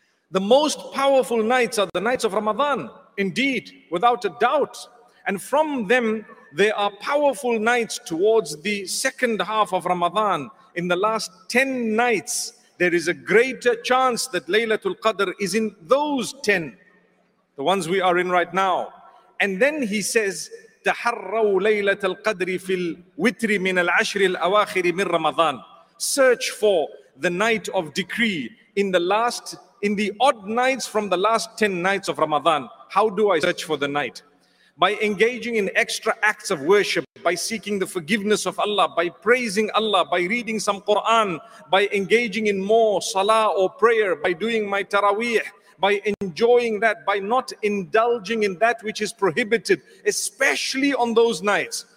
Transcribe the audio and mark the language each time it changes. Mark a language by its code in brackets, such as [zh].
[en] The most powerful nights are the nights of Ramadan, indeed, without a doubt. And from them, there are powerful nights towards the second half of Ramadan. In the last 10 nights, there is a greater chance that Laylatul Qadr is in those 10, the ones we are in right now. And then he says, [ar] تَحَرَّوْا لَيْلَةَ الْقَدْرِ فِي الْوِتْرِ مِنَ الْعَشْرِ الْأَوَاخِرِ مِنْ رَمَضَانِ. [en] Search for the night of decree in the last, in the odd nights from the last 10 nights of Ramadan. How do I search for the night? By engaging in extra acts of worship, by seeking the forgiveness of Allah, by praising Allah, by reading some Quran, by engaging in more salah or prayer, by doing my taraweeh, by enjoying that, by not indulging in that which is prohibited, especially on those nights.